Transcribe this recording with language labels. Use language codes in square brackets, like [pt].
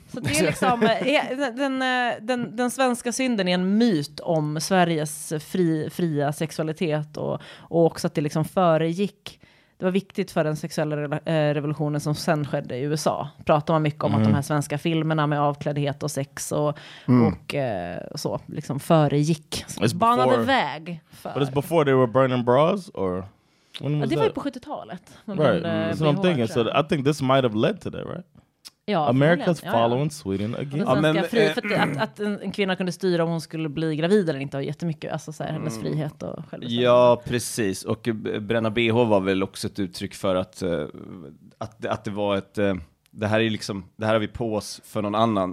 [sv] Så det är liksom den svenska synden är en myt om Sveriges fria sexualitet, och också att det liksom föregick. Det var viktigt för den sexuella revolutionen som sen skedde i USA. Pratar man mycket om att de här svenska filmerna med avklädhet och sex och så liksom föregick. Så banade väg för. [en] But it's before they were burning bras or when was, [sv] ja, det var ju på 70-talet. [en] Right. So I'm thinking, so I think this might have led to that, right? [sv] Ja, [en] America's following Sweden again. [sv] Ja, men, att en kvinna kunde styra om hon skulle bli gravid eller inte, har jättemycket, alltså så här, hennes frihet och självbestämmande. Ja, precis. Och bränna BH var väl också ett uttryck för att det var ett, det här är liksom, det här har vi på oss för någon annan.